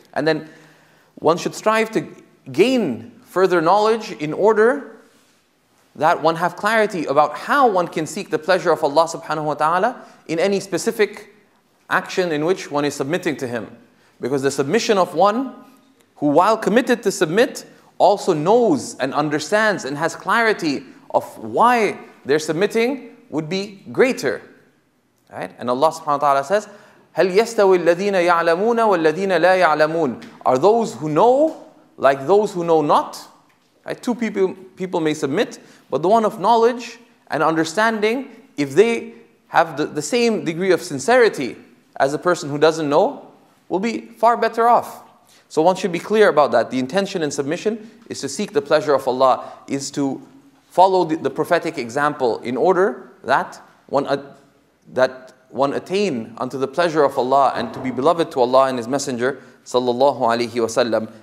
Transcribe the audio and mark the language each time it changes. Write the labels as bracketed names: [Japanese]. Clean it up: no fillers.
[English] And then one should strive to gain further knowledge in order that one have clarity about how one can seek the pleasure of Allah subhanahu wa ta'ala in any specific action in which one is submitting to Him. Because the submission of one who, while committed to submit, also knows and understands and has clarity of why they're submitting would be greater. Right? And Allah subhanahu wa ta'ala says, [Arabic] هَلْ يَسْتَوِي الَّذِينَ يَعْلَمُونَ وَالَّذِينَ لَا يَعْلَمُونَ. [English] Are those who know like those who know not? Right? Two people may submit, but the one of knowledge and understanding, if they have the same degree of sincerity as a person who doesn't know, will be far better off. So one should be clear about that. The intention in submission is to seek the pleasure of Allah, is to follow the prophetic example in order that one attain unto the pleasure of Allah and to be beloved to Allah and His Messenger, sallallahu alaihi wasallam.